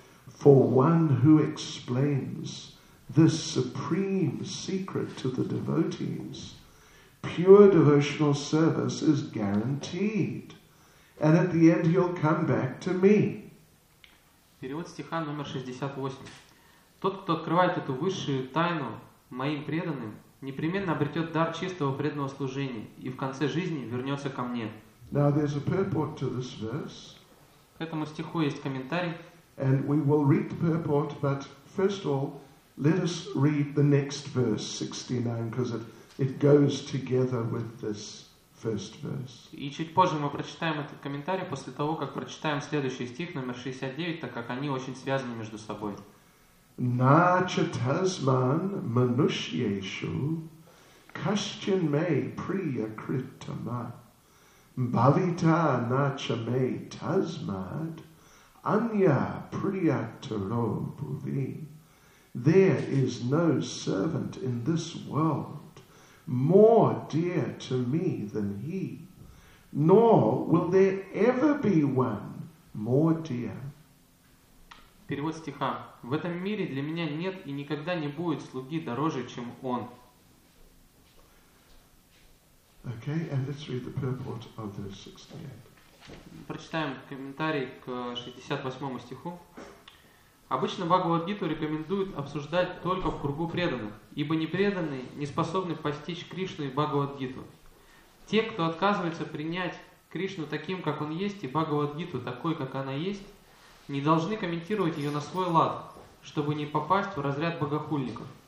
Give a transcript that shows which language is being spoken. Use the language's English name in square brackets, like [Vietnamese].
[English] For one who explains this supreme secret to the devotees, pure devotional service is guaranteed. And at the end he'll come back to me. [Russian] Перевод стиха номер 68. Тот, кто открывает эту высшую тайну моим преданным, непременно обретет дар чистого преданного служения и в конце жизни вернется ко мне. [English] Now, there's a purport to this verse. [Russian] К этому стиху есть комментарий. [English] And we will read the purport, but first of all, let us read the next verse, 69, because it goes together with this first verse. [Russian] И чуть позже мы прочитаем этот комментарий после того, как прочитаем следующий стих, номер 69, так как они очень связаны между собой. [Sanskrit] На читасман манушьешу кашчин ме прия критама бавита на чаме тазмад анья прия таро буви. [English] There is no servant in this world more dear to me than he, nor will there ever be one more dear. [Russian] Перевод стиха. В этом мире для меня нет и никогда не будет слуги дороже, чем он. [English] Okay, and let's read the purport of the 68. [Russian] Прочитаем комментарий к 68 стиху. Обычно Бхагавад-гиту рекомендуют обсуждать только в кругу преданных, ибо непреданные не способны постичь Кришну и Бхагавад-гиту. Те, кто отказывается принять Кришну таким, как он есть, и Бхагавад-гиту такой, как она есть, не должны комментировать ее на свой лад, чтобы не попасть в разряд богохульников.